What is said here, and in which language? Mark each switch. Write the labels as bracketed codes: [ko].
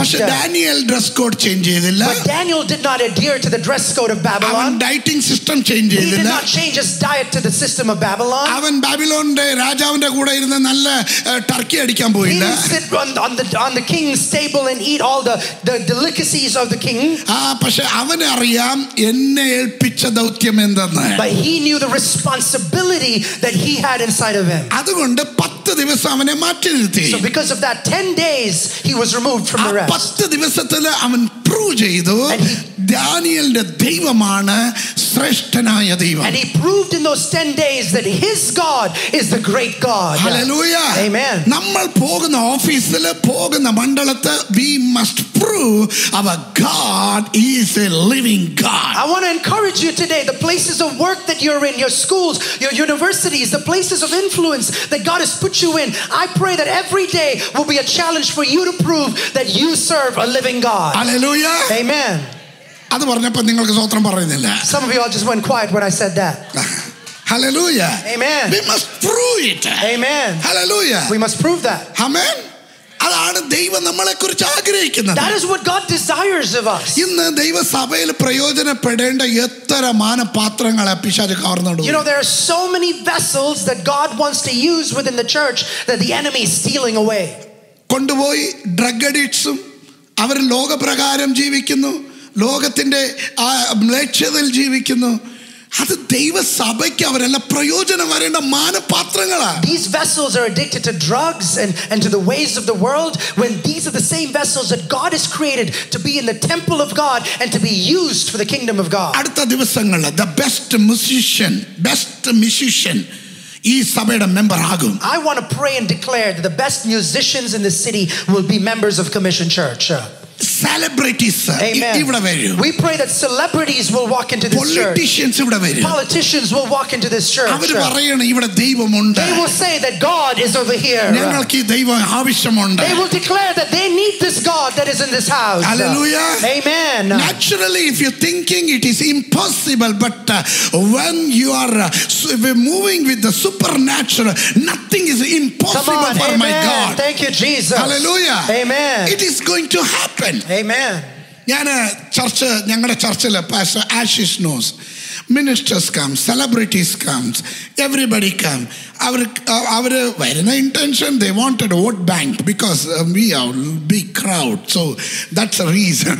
[ml] പക്ഷേ Daniel dress code change ചെയ്തില്ല. [en] But Daniel did not adhere to the dress code of Babylon. [ml] അവൻ dieting system change ചെയ്തില്ല. [en] He did not change his diet to the system of Babylon. [ml] അവൻ ബാബിലോന്റെ രാജാവിന്റെ കൂടെ ഇരുന്ന് നല്ല Turkey അടിക്കാൻ പോയില്ല. [en] He didn't sit on the king's table and eat all the delicacies of the king. [ml] ആ പക്ഷേ അവൻ അറിയാം എന്നെ ഏൽപ്പിച്ച ദൗത്യം എന്താണ്. [en] But he knew the responsibility that he had inside of him. [ml] അതുകൊണ്ട് 10 ദിവസം അവനെ മാറ്റി നിർത്തി. [en] So because of that 10 days he was removed from the rest. [ml] 10 ദിവസത്തില അവൻ പ്രൂവ് ചെയ്തു ദാനിയേലിന്റെ ദൈവമാണ് ശ്രേഷ്ഠനായ ദൈവം. [en] And he proved in those 10 days that his God is the great God. Hallelujah. Amen. [ml] നമ്മൾ പോകുന്ന ഓഫീസില പോകുന്ന മണ്ഡലത്തെ [en] we must prove our God is a living God. I want to encourage you today, the places of work that you're in, your schools, your universities, the places of influence that God has put you in, I pray that every day will be a challenge for you to prove that you serve a living God. Hallelujah. Amen. [ml] അത് പറഞ്ഞപ്പോൾ നിങ്ങൾക്ക് സ്തോത്രം പറയുന്നില്ല. [en] Some of you all just went quiet when I said that. Hallelujah. Amen. We must prove it. Amen. Hallelujah. We must prove that. Amen. [ml] അതാണ് ദൈവം നമ്മളെ കുറിച്ച് ആഗ്രഹിക്കുന്നത്. [en] That is what God desires of us. [ml] ഇന്ന് ദൈവസഭയിൽ പ്രയോജനപ്പെടേണ്ട എത്ര മാനപാത്രങ്ങളെ പിശാച് കവർന്നെടുക്കും. [en] You know, there are so many vessels that God wants to use within the church that the enemy is stealing away. [ml] കൊണ്ടുപോയി drug അഡിക്ട്സും അവർ ലോകപ്രകാരം ജീവിക്കുന്നു. ലോകത്തിന്റെ ആ മ്ലേച്ഛതയിൽ ജീവിക്കുന്നു. അത് ദൈവസഭയ്ക്ക് അവരെല്ലാം പ്രയോജനം വരേണ്ട മാനപാത്രങ്ങളാണ്. [en] These vessels are addicted to drugs and to the ways of the world when these are the same vessels that God has created to be in the temple of God and to be used for the kingdom of God. [ml] അടുത്ത ദിവസങ്ങളിൽ [en] the best musician [ml] ഈ സഭയുടെ member ആകും. [en] I want to pray and declare that the best musicians in the city will be members of Commission Church. [ml] Celebrities ഇവിടെ വരും. [en] We pray that celebrities will walk into this [ml] church. Politicians ഇവിടെ വരും. [en] Politicians will walk into this church. [ml] അവർ പറയണം ഇവിടെ ദൈവമുണ്ട്. [en] They will say that God is over here. [ml] ഞങ്ങൾക്ക് ദൈവം ആവശ്യമുണ്ട്. [en] They will declare that they need this God that is in this house. Hallelujah. Amen. Naturally if you're thinking it is impossible but when you are moving with the supernatural nothing is impossible for Amen. My God. Thank you Jesus. Hallelujah. Amen. It is going to happen. Amen. [ml] ഞാൻ church ഞങ്ങളുടെ ചർച്ചിൽ [en] pastor Ashish knows ministers come celebrities comes everybody come [ml] അവർ വരുന്ന [en] intention they wanted vote bank because we are big crowd so that's a reason